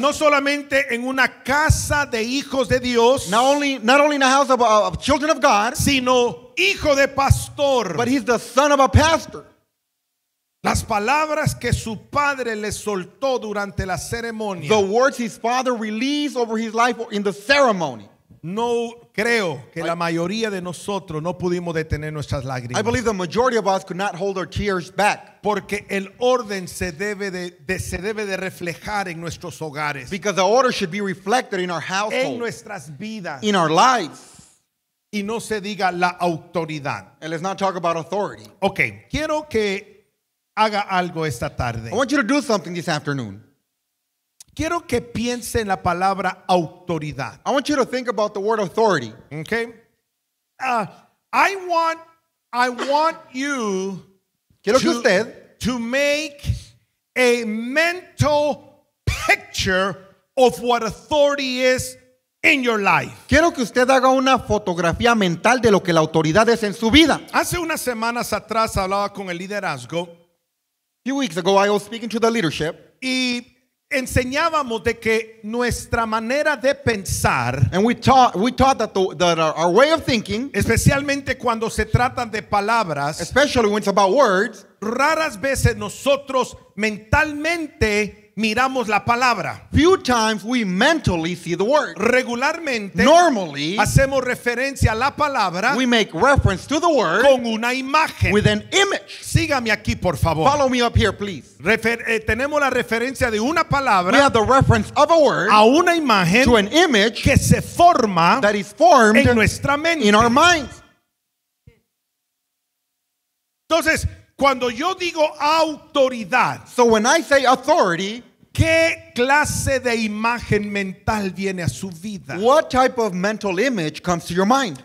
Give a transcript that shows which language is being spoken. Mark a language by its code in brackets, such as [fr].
[es] no solamente en una casa de hijos de Dios, [en] not only in a house of children of God, [es] sino hijo de pastor, [en] but he's the son of a pastor. [es] Las palabras que su padre le soltó durante la ceremonia, [en] the words his father released over his life in the ceremony. [es] No creo que la mayoría de nosotros no pudimos detener nuestras lágrimas. [en] I believe the majority of us could not hold our tears back. [es] Porque el orden se debe de reflejar en nuestros hogares. [en] Because the order should be reflected in our household. [es] En nuestras vidas. [en] In our lives. [es] Y no se diga la autoridad. [en] And let's not talk about authority. [es] Okay, quiero que haga algo esta tarde. [en] I want you to do something this afternoon. [es] Quiero que piense en la palabra autoridad. [en] I want you to think about the word authority. Okay. I want you [es] quiero que usted [en] to make a mental picture of what authority is in your life. [es] Quiero que usted haga una fotografía mental de lo que la autoridad es en su vida. Hace unas semanas atrás hablaba con el liderazgo. [en] A few weeks ago I was speaking to the leadership. [es] Y enseñábamos de que nuestra manera de pensar, [en] and we taught that our way of thinking, [es] especialmente cuando se tratan de palabras, [en] especially when it's about words, [es] raras veces nosotros mentalmente miramos la palabra. [en] Few times we mentally see the word. [es] Regularmente, [en] normally, [es] hacemos referencia a la palabra. [en] We make reference to the word [es] con una imagen. [en] With an image. [es] Sígame aquí, por favor. [en] Follow me up here, please. [es] Tenemos la referencia de una palabra. [en] We have the reference of a word [es] a una imagen [en] to an image [es] que se forma [en] that is formed [es] en nuestra mente. [en] In our minds. [es] Entonces, cuando yo digo autoridad, [en] so when I say authority, [es] ¿qué clase de imagen mental viene a su vida? [en] What type of mental image comes to your mind?